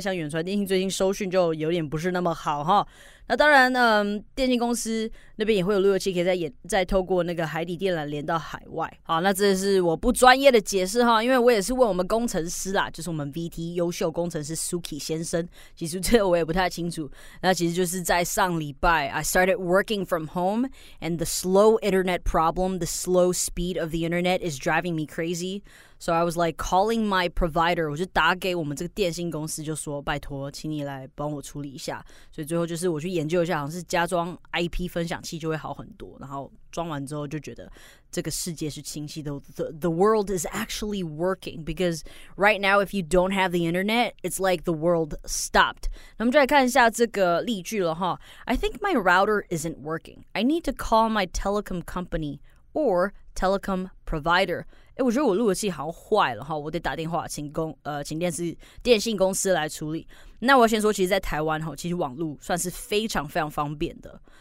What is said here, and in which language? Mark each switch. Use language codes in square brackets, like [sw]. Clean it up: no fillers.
[zh] 像远传电信最近收讯就有点不是那么好哈。那当然电信公司那边也会有路由器，可以再透过那个海底电缆连到海外。好，那这是我不专业的解释哈，因为我也是问我们工程师啦，就是我们 VT 优秀工程师 Suki 先生，其实这个我也不太清楚。那其实就是在上礼拜 [en] I started working from home and the slow internet problem, the slow speed of the internet is driving me crazy. So I was like calling my provider, [zh] 我就打给我们这个电信公司，就说拜托，请你来帮我处理一下。所以最后就是我去研究一下，好像是加装 IP 分享器就会好很多。然后装完之后就觉得这个世界是清晰的 ， [en] the world is actually working. Because right now, if you don't have the internet, it's like the world stopped. [zh] 那我们就来看一下这个例句了哈。 [en] I think my router isn't working. I need to call my telecom company or telecom provider. [zh] 欸、我觉得我录的器好坏了哈，我得打电话请电信公司来处理。那我要先说，其实，在台湾哈，其实网路算是非常非常方便的。